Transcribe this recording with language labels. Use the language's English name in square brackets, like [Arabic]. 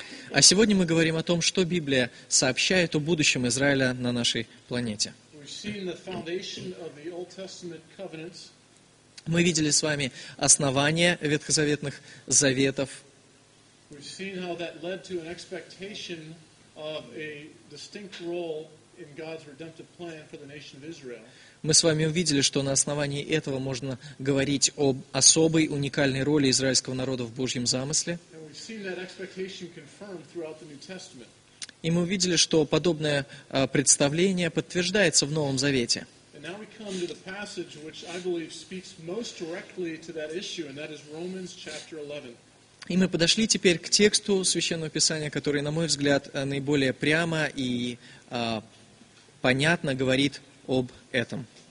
[Russian] А сегодня мы говорим о том, что Библия сообщает о будущем Израиля на нашей планете. Мы видели с вами основание ветхозаветных заветов. [English] We've seen how that led to an expectation of a distinct role in God's redemptive plan for the nation of Israel. [Russian] Мы с вами увидели, что на основании этого можно говорить об особой уникальной роли израильского народа в Божьем замысле. [English] And we've seen that expectation confirmed throughout the New Testament. [Russian] И мы увидели, что подобное представление подтверждается в Новом Завете. [English] And now we come to the passage which I believe speaks most directly to that issue, and that is Romans chapter 11. [Russian] И мы подошли теперь к тексту Священного Писания, который, на мой взгляд, наиболее прямо и понятно говорит об этом.